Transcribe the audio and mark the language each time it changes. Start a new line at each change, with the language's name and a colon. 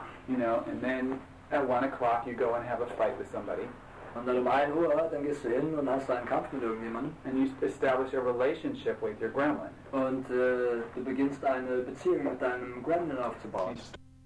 English: You know, and then at 1 o'clock you go and have a fight with somebody.
German: Und dann um 1 Uhr, dann gehst du hin und hast einen Kampf mit irgendjemandem.
English: And you establish a relationship with your gremlin.
German: Und du beginnst eine Beziehung mit deinem Gremlin aufzubauen.